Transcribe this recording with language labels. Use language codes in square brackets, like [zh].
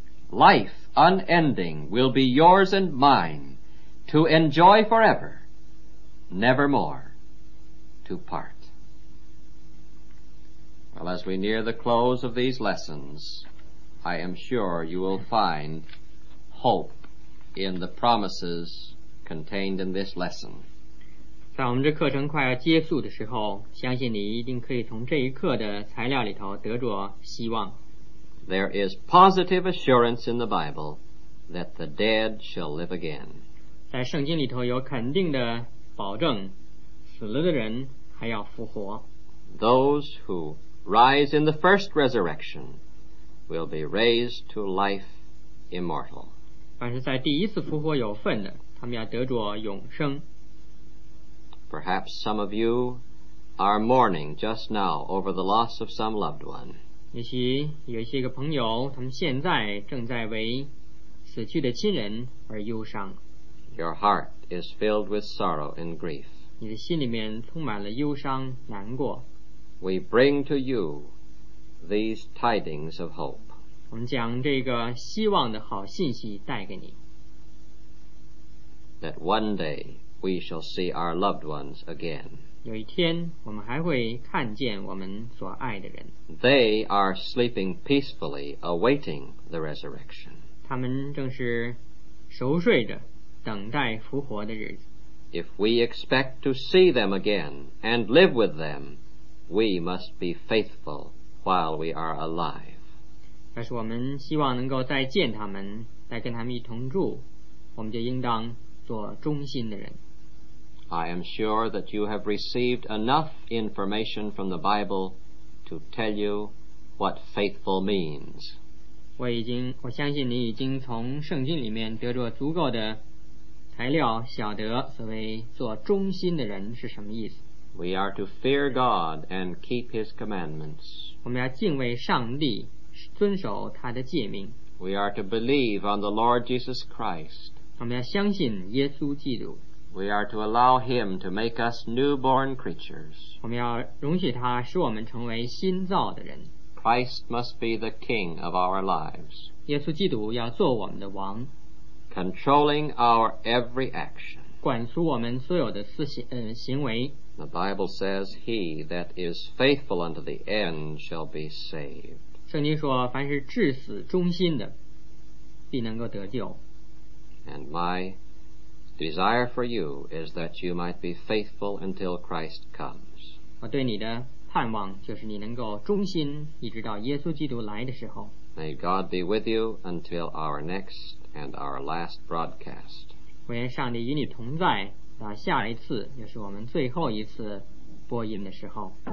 [en] Life unending will be yours and mine to enjoy forever, nevermore to part. Well, as we near the close of these lessons, I am sure you will find hope in the promises contained in this lesson. [zh] 在我们这课程快要结束的时候，相信你一定可以从这一课的材料里头得着希望。 [en] There is positive assurance in the Bible that the dead shall live again. [zh] 在圣经里头有肯定的保证，死了的人还要复活。 [en] Those who rise in the first resurrection will be raised to life immortal. [zh] 凡是在第一次复活有份的，他们要得着永生。 [en] Perhaps some of you are mourning just now over the loss of some loved one. [zh] 也许有些个朋友，他们现在正在为死去的亲人而忧伤。 [en] Your heart is filled with sorrow and grief. [zh] 你的心里面充满了忧伤、难过。 [en] We bring to you these tidings of hope. [zh] 我们将这个希望的好信息带给你。 [en] That one day we shall see our loved ones again. [zh] 有一天我们还会看见我们所爱的人。 [en] They are sleeping peacefully awaiting the resurrection. [zh] 他们正是熟睡着等待复活的日子。 [en] If we expect to see them again and live with them, we must be faithful while we are alive. [zh] 要是我们希望能够再见他们，再跟他们一同住，我们就应当做忠心的人。 [en] I am sure that you have received enough information from the Bible to tell you what faithful means. [zh] 我相信你已经从圣经里面得着足够的材料，晓得所谓做忠心的人是什么意思。 [en] We are to fear God and keep His commandments. [zh] 我们要敬畏上帝，遵守他的诫命。 [en] We are to believe on the Lord Jesus Christ. [zh] 我们要相信耶稣基督。 [en] We are to allow him to make us newborn creatures. [zh] 我们要容许他使我们成为新造的人。 [en] Christ must be the king of our lives. [zh] 耶稣基督要做我们的王。 [en] Controlling our every action. [zh] 管束我们所有的行为。 [en] The Bible says, he that is faithful unto the end shall be saved. [zh] 圣经说，凡是至死忠心的，必能够得救。 [en] And my desire for you is that you might be faithful until Christ comes. [zh] 我对你的盼望就是你能够忠心一直到耶稣基督来的时候。 [en] May God be with you until our next and our last broadcast. [zh] 我愿上帝与你同在，下一次也是我们最后一次播音的时候。